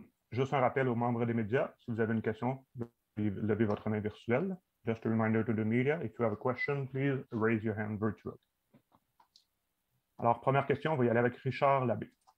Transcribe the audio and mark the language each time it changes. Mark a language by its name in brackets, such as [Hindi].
[French] Juste un rappel aux membres des médias, si vous avez une question, levez votre main virtuelle. [English] Just a reminder to the media, if you have a question, please raise your hand virtually. [French] Alors, première question, on va y aller avec Richard Labbé.